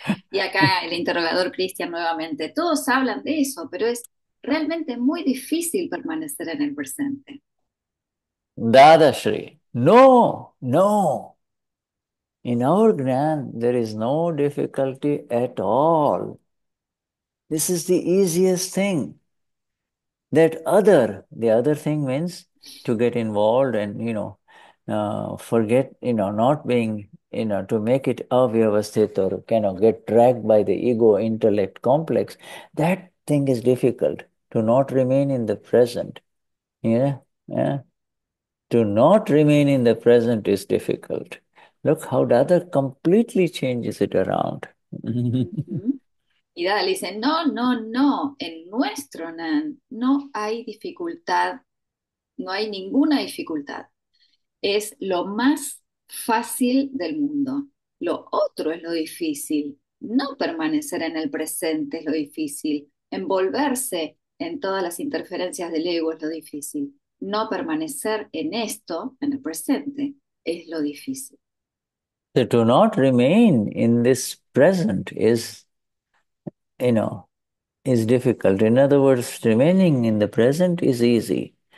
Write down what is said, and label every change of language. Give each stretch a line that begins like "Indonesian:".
Spanish: Y acá el interrogador Cristian nuevamente, todos hablan de eso, pero es realmente muy difícil permanecer en el presente. Dadashri, no.
English: In our gnan, there is no difficulty at all. This is the easiest thing. That other, the other thing means to get involved and, forget, not being, to make it avyavasthita or, get dragged by the ego intellect complex. That thing is difficult, to not remain in the present. To not remain in the present is difficult. Look how the other completely changes it around.
Spanish: Y Dada le dice, no, no, no, en nuestro NAN no hay dificultad, no hay ninguna dificultad. Es lo más fácil del mundo. Lo otro es lo difícil. No permanecer en el presente es lo difícil. Envolverse en todas las interferencias del ego es lo difícil. No permanecer en esto, en el presente, es lo difícil.
English: To not remain in this present is difficult. In other words, remaining in the present is easy.